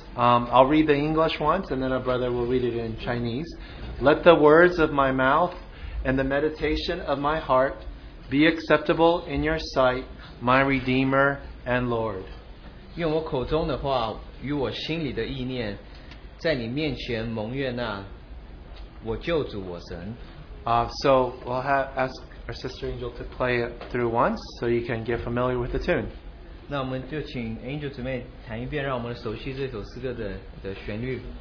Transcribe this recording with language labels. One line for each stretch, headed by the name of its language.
English: I'll read the English once, and then our brother will read it in Chinese. Let the words of my mouth and the meditation of my heart be acceptable in your sight, my Redeemer and Lord.
Chinese: 用我口中的话与我心里的意念在你面前蒙悦纳，我救主我神。
English: So we'll ask our sister Angel to play it through once so you can get familiar with the tune.
Chinese: 那我们就请 Angel 姊妹弹一遍，让我们熟悉这首诗歌 的旋律。